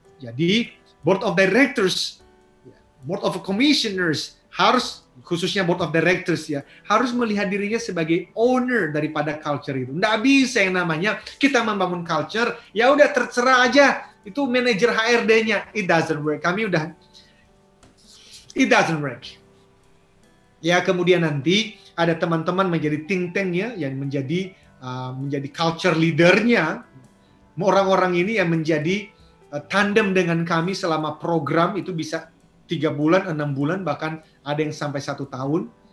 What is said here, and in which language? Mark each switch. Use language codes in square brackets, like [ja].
[id] Jadi, board of directors, board of commissioners, harus, khususnya board of directors ya, harus melihat dirinya sebagai owner daripada culture itu. Nggak bisa yang namanya kita membangun culture, ya udah terserah aja itu manager HRD-nya. [en] It doesn't work. [id] Kami udah, [en] it doesn't work. [id] Ya, kemudian nanti ada teman-teman menjadi think tank ya, yang menjadi menjadi culture leader-nya. Orang-orang ini yang menjadi tandem dengan kami selama program itu bisa 3 bulan, 6 bulan, bahkan ada yang sampai 1 tahun.